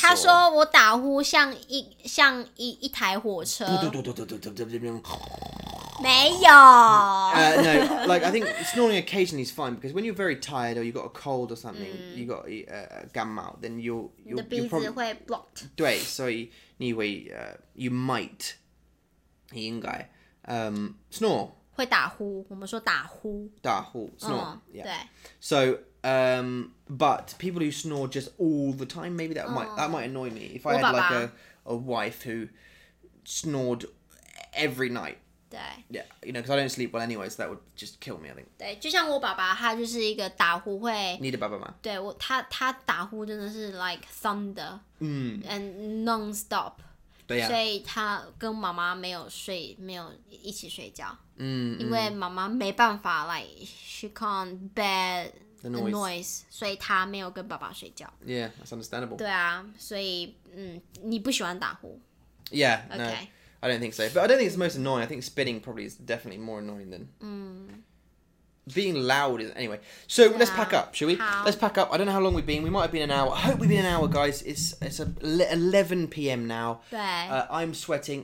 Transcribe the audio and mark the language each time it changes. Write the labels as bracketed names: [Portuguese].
[Chinese] 他说我打呼像一台火车。没有。 [English] No, like I think snoring occasionally is fine because when you're very tired or you got a cold or something, you got a gamma, then your 会 blocked. [Chinese] 对，所以你会 [English] you might, [Chinese] 你应该snore. 会打呼，我们说打呼。打呼 snore.、Yeah. 对。 [English] So, but people who snore just all the time, maybe that might annoy me if I had like a wife who snored every night. [Chinese] 对 [English] ，Yeah, you know, because I don't sleep well anyway, so that would just kill me, I think. [Chinese] 对，就像我爸爸，他就是一个打呼会。你的爸爸吗？对，他打呼真的是 [English] like thunder, and non-stop. [Chinese] 对呀、啊。所以他跟妈妈没有一起睡觉。嗯。因为妈妈没办法 [English] like she can't bear the noise, [Chinese] 所以他没有跟爸爸睡觉。 [English] Yeah, that's understandable. [Chinese] 对啊，所以你不喜欢打呼 [English] ？Yeah. Okay.、 No. I don't think so. But I don't think it's the most annoying. I think spitting probably is definitely more annoying than... Being loud is... Anyway. So, yeah. Let's pack up, shall we? Let's pack up. I don't know how long we've been. We might have been an hour. I hope we've been an hour, guys. It's 11 p.m. now. I'm sweating.